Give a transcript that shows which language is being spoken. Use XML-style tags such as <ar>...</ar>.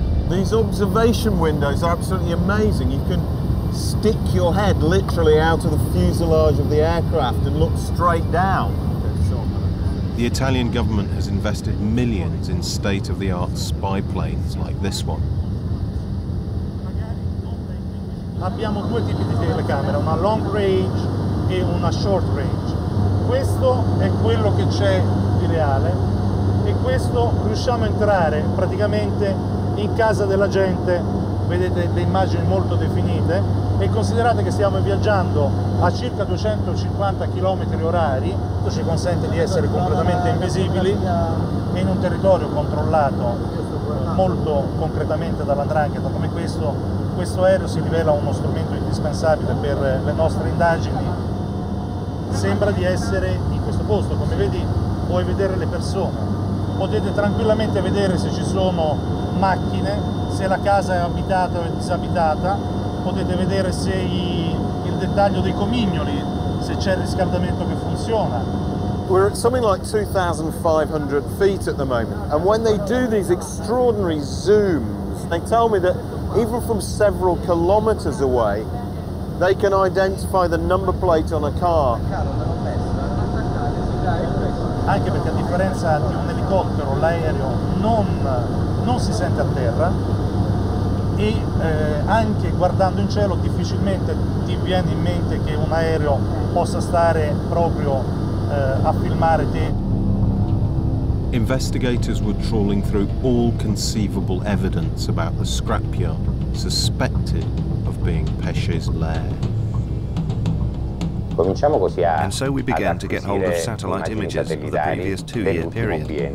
<en>These observation windows are absolutely amazing. You can stick your head literally out of the fuselage of the aircraft and look straight down. The Italian government has invested millions in state-of-the-art spy planes like this one.</en> <it>Abbiamo due tipi di telecamera, una long range e una short range. Questo è quello che c'è di reale e questo riusciamo a entrare praticamente in casa della gente, vedete le immagini molto definite, e considerate che stiamo viaggiando a circa 250 km orari, questo ci consente di essere completamente invisibili in un territorio controllato molto concretamente dalla 'Ndrangheta. Come questo, questo aereo si rivela uno strumento indispensabile per le nostre indagini. Sembra di essere in questo posto, come vedi puoi vedere le persone, potete tranquillamente vedere se ci sono macchine, se la casa è abitata o è disabitata, potete vedere se il dettaglio dei comignoli, se c'è il riscaldamento che funziona.</it> <en>We're at something like 2,500 feet at the moment, and when they do these extraordinary zooms, they tell me that even from several kilometers away, they can identify the number plate on a car.</en> <it>Anche perché a differenza di un elicottero, l'aereo non si sente a terra e anche guardando in cielo difficilmente ti viene in mente che un aereo possa stare proprio a filmare te.</it> <en>Investigators were trawling through all conceivable evidence about the scrapyard suspected of being Pesce's lair.</en> <it>Cominciamo così a.</it> <en>And so we began to get hold of satellite images of the previous two-year period.</en>